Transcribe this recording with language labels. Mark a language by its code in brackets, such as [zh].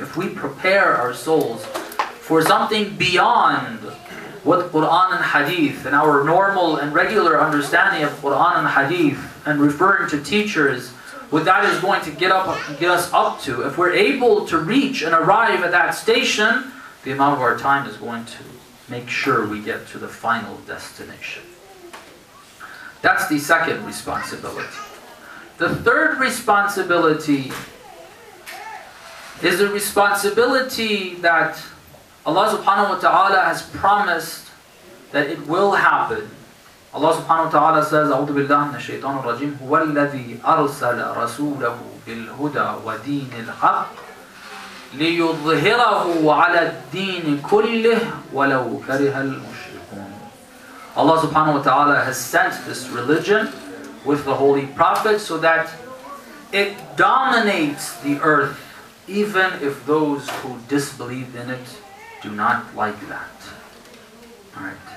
[en] If we prepare our souls for something beyond what Qur'an and Hadith and our normal and regular understanding of Qur'an and Hadith and referring to teachers, what that is going to get us up to, if we're able to reach and arrive at that station, the Imam of our time is going to make sure we get to the final destination. That's the second responsibility. The third responsibility is the responsibility that Allah subhanahu wa ta'ala has promised that it will happen. Allah subhanahu wa ta'ala says, [ar] أعوذ بالله من الشيطان الرجيم هو الذي أرسل رسوله بالهدى ودين الحق ليظهره على الدين كله ولو كره المشركون. [en] Allah subhanahu wa ta'ala has sent this religion with the Holy Prophet so that it dominates the earth even if those who disbelieve in it do not like that. Alright.